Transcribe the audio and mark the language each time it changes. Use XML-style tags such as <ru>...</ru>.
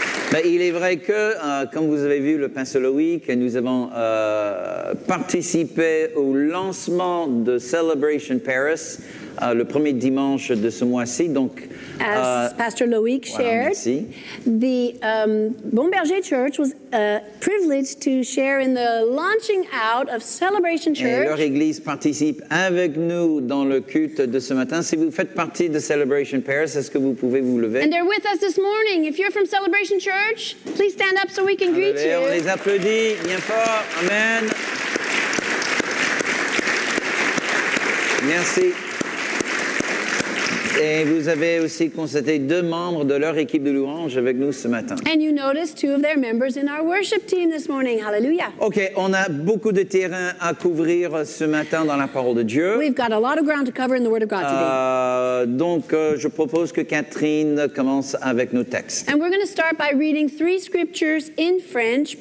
<fr>Ben, il est vrai que, comme vous avez vu le Pasteur Louis, que nous avons participé au lancement de Celebration Paris le premier dimanche de ce mois-ci. Donc,</fr> <en>as Pasteur Louis shared, wow, the Bon Berger Church was privileged to share in the launching out of Celebration Church.</en> <fr>Et leur église participe avec nous dans le culte de ce matin. Si vous faites partie de Celebration Paris, est-ce que vous pouvez vous lever?</fr> <en>And they're with us this morning. If you're from Celebration Church, please stand up so we can greet you.</en> <fr>On les applaudit bien fort. Amen. Merci. Et vous avez aussi constaté deux membres de leur équipe de louange avec nous ce matin.</fr> <en>And you noticed two of their members in our worship team this morning. Hallelujah.</en> <fr>OK, on a beaucoup de terrain à couvrir ce matin dans la parole de Dieu.</fr> <en>We've got a lot of ground to cover in the Word of God today.</en> <fr>Donc, je propose que Kathryn commence avec nos textes.</fr> <en>And we're going to start by reading three scriptures in French.</en>